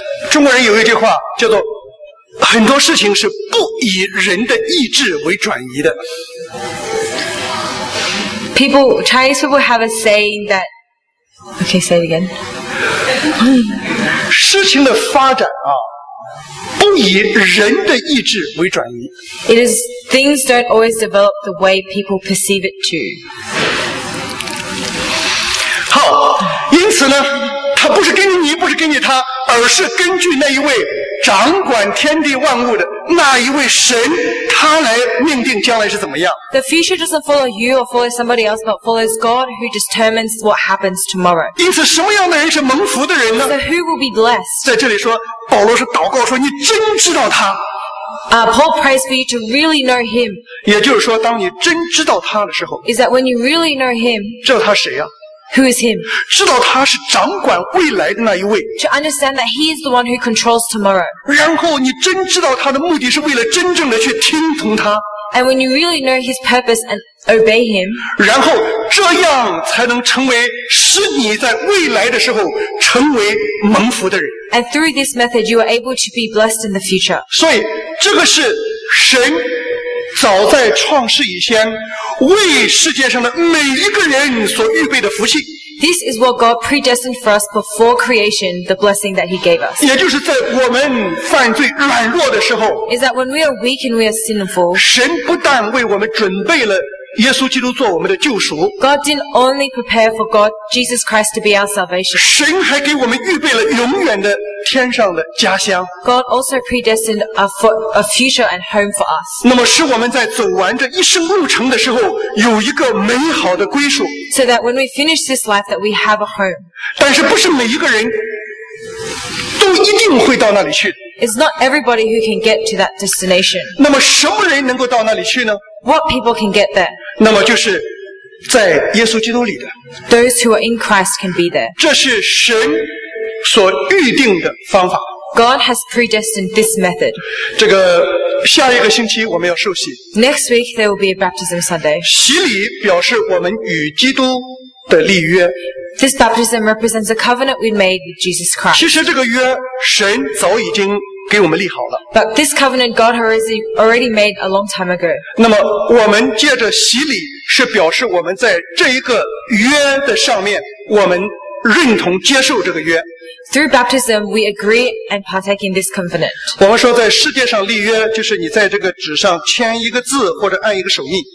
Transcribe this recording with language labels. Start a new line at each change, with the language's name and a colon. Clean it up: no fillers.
Chinese: 中国人有一句话叫做很多事情是不以人的意志为转移的。
English: Chinese people have a saying that. Okay, say it again.
Chinese: 事情的发展啊，不以人的意志为转移。
English: It is things don't always develop the way people perceive it to.
Chinese: 好，因此呢，它不是根据你，不是根据他，而是根据那一位。掌管天地万物的那一位神，他来命定将来是怎么样。
English: The future doesn't follow you or follow somebody else, but follows God who determines what happens tomorrow.
Chinese: 因此，什么样的人是蒙福的人呢
English: ？So who will be blessed?
Chinese: 在这里说，保罗是祷告说，你真知道他。
English: Paul prays for you to really know him.
Chinese: 也就是说，当你真知道他的时候
English: ，Is that when you really know him?
Chinese: 知道他谁呀、啊？
English: Who is him?
Chinese: 知道他是掌管未来的那一位。
English: To understand that he is the one who controls tomorrow.
Chinese: 然后你真知道他的目的是为了真正的去听从他。
English: And when you really know his purpose and obey him.
Chinese: 然后这样才能成为使你在未来的时候成为蒙福的人。
English: And through this method, you are able to be blessed in the future.
Chinese: 所以这个是神早在创世以前为世界上的每一个人所预备的福气。
English: This is what God predestined for us before creation, the blessing that He gave us.
Chinese: 也就是在我们犯罪软弱的时候
English: Is that when we are weak and we are sinful,
Chinese: 神不但为我们准备了耶稣基督做我们的救赎
English: God didn't only prepare for God, Jesus Christ to be our salvation.
Chinese: 神还给我们预备了永远的天上的家乡
English: God also predestined a future and home for us.
Chinese: 那么使我们在走完这一生路程的时候有一个美好的归属
English: So that when we finish this life that we have a home.
Chinese: 但是不是每一个人都一定会到那里去
English: It's not everybody who can get to that destination.
Chinese: 那么什么人能够到那里去呢
English: What people can get there?
Chinese: 那么就是在耶稣基督里的。
English: Those who are in Christ can be there.
Chinese: 这是神所预定的方法。
English: God has predestined this method.
Chinese: 这个下一个星期我们要受洗。
English: Next week there will be a baptism Sunday.
Chinese: 洗礼表示我们与基督的立约。
English: This baptism represents a covenant we made with Jesus Christ.
Chinese: 其实这个约神早已经给我们立好了。
English: But this covenant God has already made a long time ago.
Chinese: 那么我们借着洗礼是表示我们在这一个约的上面我们认同接受这个约。
English: Through baptism, we agree and partake in this covenant.
Chinese: 我们说在世界上立约就是你在这个纸上签一个字或者按一个手印。